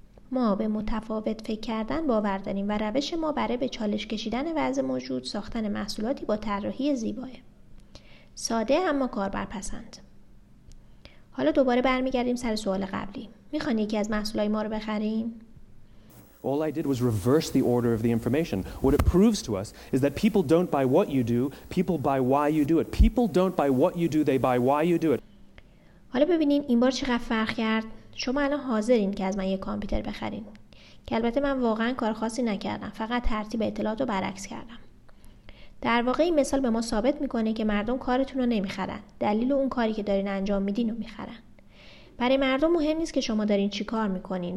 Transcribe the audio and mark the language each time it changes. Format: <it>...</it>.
<fa>ما به متفاوت فکر کردن باور داریم و روش ما برای به چالش کشیدن وضع موجود ساختن محصولاتی با طراحی زیباه. ساده اما کاربرپسند. حالا دوباره برمیگردیم سر سوال قبلی. میخوان یکی از محصولای ما رو بخریم؟</fa> <en>All I did was reverse the order of the information. What it proves to us is that people don't buy what you do, people buy why you do it. People don't buy what you do, they buy why you do it.</en> <fa>حالا ببینین این بار چقدر فرق کرد. شما الان حاضرین که از من یک کامپیوتر بخرین. که البته من واقعا کار خاصی نکردم. فقط ترتیب اطلاعات رو برعکس کردم. در واقع این مثال به ما ثابت میکنه که مردم کارتون رو نمیخرن. دلیل اون کاری که دارین انجام میدین رو میخرن. برای مردم مهم نیست که شما دارین چی کار میکنین.</fa>